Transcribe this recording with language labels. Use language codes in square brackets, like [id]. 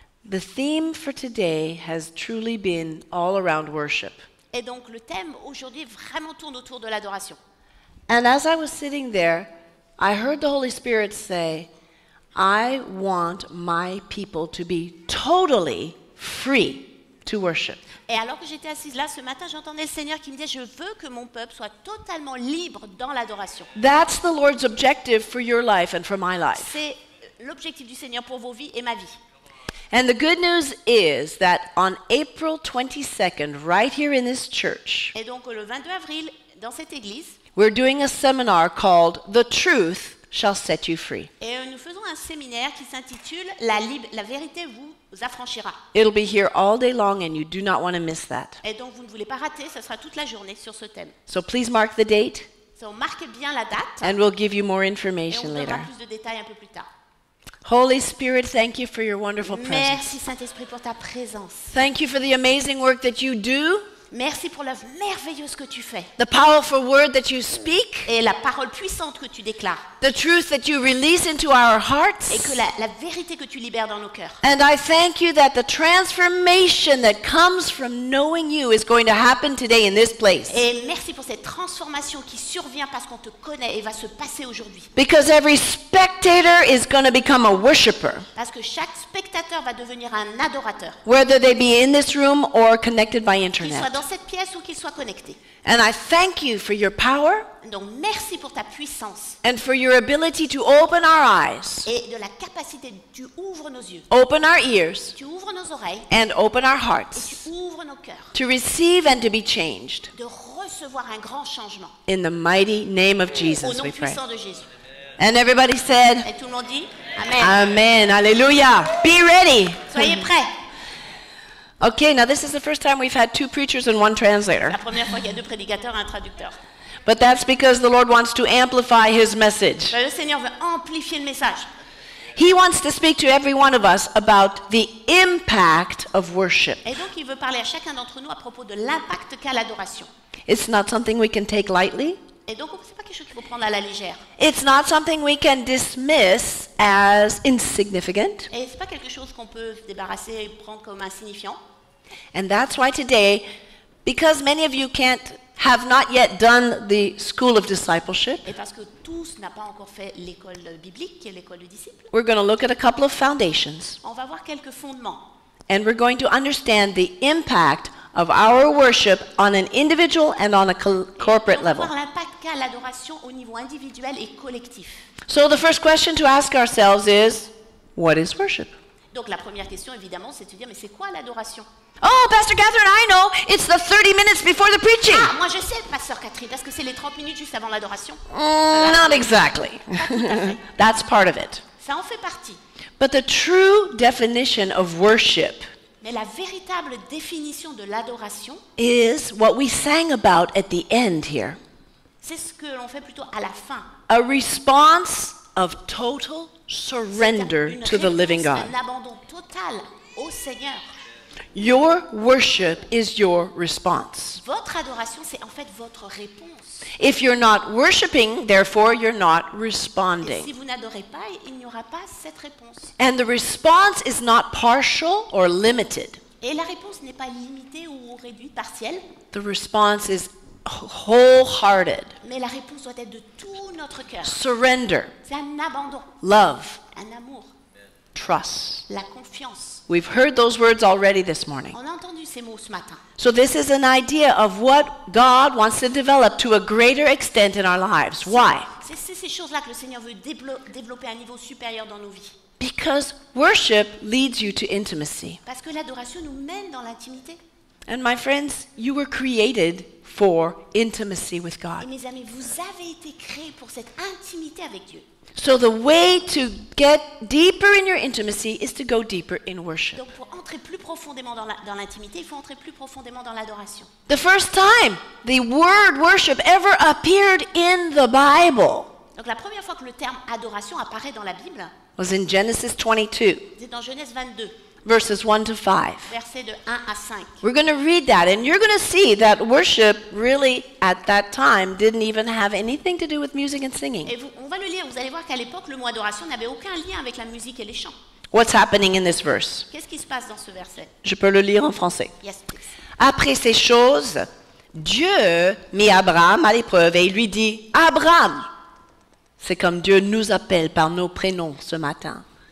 [en] The theme for today has truly been all around worship. [fr] Et donc le thème aujourd'hui vraiment tourne autour de l'adoration. [en] And as I was sitting there, I heard the Holy Spirit say, I want my people to be totally free to worship. [fr] Et alors que j'étais assise là ce matin, j'entendais le Seigneur qui me disait, je veux que mon peuple soit totalement libre dans l'adoration. [en] That's the Lord's objective for your life and for my life. [fr] C'est l'objectif du Seigneur pour vos vies et ma vie. [en] And the good news is that on April 22nd, right here in this church, [fr] et donc le 22 avril, dans cette église, [en] we're doing a seminar called The Truth Shall Set You Free. [fr] Et nous faisons un séminaire qui s'intitule La vérité vous affranchira. [en] It'll be here all day long and you do not want to miss that. [fr] Et donc vous ne voulez pas rater, ça sera toute la journée sur ce thème. [en] So please mark the date. [fr] So marquez bien la date. [en] And we'll give you more information later. [fr] Et on vous donnera plus de détails un peu plus tard. [en] Holy Spirit, thank you for your wonderful [fr] Merci, [en] presence. [fr] Merci Saint-Esprit pour ta présence. [en] Thank you for the amazing work that you do. [fr] Merci pour l'œuvre merveilleuse que tu fais. [en] The powerful word that you speak. [fr] Et la parole puissante que tu déclares. [en] The truth that you release into our hearts. [fr] Et que la vérité que tu libères dans nos cœurs. [en] And I thank you that the transformation that comes from knowing you is going to happen today in this place. [fr] Et merci pour cette transformation qui survient parce qu'on te connaît et va se passer aujourd'hui. [en] Because every spectator is going to become a worshipper. [fr] Parce que chaque spectateur va devenir un adorateur. [en] Whether they be in this room or connected by internet. [fr] Dans cette pièce ou qu'il soit connecté. [en] And I thank you for your power. [fr] Donc merci pour ta puissance. [en] And for your ability to open our eyes. [fr] Et de la capacité tu ouvres nos yeux. [en] Open our ears. [fr] Tu ouvres nos oreilles. [en] And open our hearts. [fr] Et tu ouvres nos cœurs. [en] To receive and to be changed. [fr] De recevoir un grand changement. [en] In the mighty name of Jesus we pray. [fr] Au nom puissant de Jésus. [en] And everybody said. [fr] Et tout le monde dit amen. [en] Amen. Alléluia. Be ready. [fr] Soyez prêts. [en] Okay, now this is the first time we've had two preachers and one translator. [fr] La première fois qu'il y a deux prédicateurs et un traducteur. [en] But that's because the Lord wants to amplify his message. [fr] Le Seigneur veut amplifier le message. [en] He wants to speak to every one of us about the impact of worship. [fr] Et donc il veut parler à chacun d'entre nous à propos de l'impact qu'a l'adoration. [en] It's not something we can take lightly. [fr] Et donc c'est pas quelque chose qu'il faut prendre à la légère. [en] It's not something we can dismiss as insignificant. [fr] Et c'est pas quelque chose qu'on peut débarrasser et prendre comme insignifiant. [en] And that's why today, because many of you have not yet done the school of discipleship. [fr] Et parce que tous n'a pas encore fait l'école biblique, qui est l'école du disciple. [en] We're going to look at a couple of foundations. [fr] On va voir quelques fondements. [en] And we're going to understand the impact of our worship on an individual and on a corporate level. [fr] L'impact qu'a l'adoration au niveau individuel et collectif. [en] So the first question to ask ourselves is, what is worship? [fr] Donc la première question évidemment c'est de dire mais c'est quoi l'adoration? [en] Oh, Pastor Catherine, I know. It's the 30 minutes before the preaching. [fr] Ah, moi je sais, Pasteur Catherine, parce que c'est les 30 minutes juste avant l'adoration. [en] Not exactly. That's part of it. [fr] Ça en fait partie. [en] But the true definition of worship. [fr] Mais la véritable définition de l'adoration [en] is what we sang about at the end here. [fr] C'est ce que l'on fait plutôt à la fin. [en] A response of total surrender to the living God. [fr] Un abandon total au Seigneur. [en] Your worship is your response. [fr] Votre adoration, c'est en fait votre réponse. [en] If you're not worshiping, therefore, you're not responding. [fr] Et si vous n'adorez pas, il n'y aura pas cette réponse. [en] And the response is not partial or limited. [fr] Et la réponse n'est pas limitée ou réduite, partielle. [en] The response is wholehearted. [fr] Mais la réponse doit être de tout notre cœur. [en] Surrender. [fr] C'est un abandon. [en] Love. [fr] Un amour. [en] Trust. [fr] La confiance. [en] We've heard those words already this morning. [fr] On a entendu ces mots ce matin. [en] So this is an idea of what God wants to develop to a greater extent in our lives. Why? [fr] C'est ces choses-là que le Seigneur veut développer à un niveau supérieur dans nos vies. [en] Because worship leads you to intimacy. [fr] Parce que l'adoration nous mène dans l'intimité. [en] And my friends, you were created for intimacy with God. [fr] Et mes amis, vous avez été créés pour cette intimité avec Dieu. [en] So the way to get deeper in your intimacy is to go deeper in worship. [fr] Donc pour entrer plus profondément dans l'intimité, il faut entrer plus profondément dans l'adoration. [en] The first time the word worship ever appeared in the Bible. [fr] Donc la première fois que le terme adoration apparaît dans la Bible [en] was in Genesis 22. [fr] C'est dans Genèse 22. [en] Verses 1 to 5. [fr] Versets de 1 à 5. [en] We're going to read that and you're going to see that worship really at that time didn't even have anything to do with music and singing. [fr] Et on va le lire, vous allez voir qu'à l'époque le mot adoration n'avait aucun lien avec la musique et les chants. [en] What's happening in this verse? [fr] Qu'est-ce qui se passe dans ce verset? Je peux le lire en français. [en] Yes, please. [fr] Après ces choses, Dieu mit Abraham à l'épreuve et il lui dit: Abraham. C'est comme Dieu nous appelle par nos prénoms ce matin.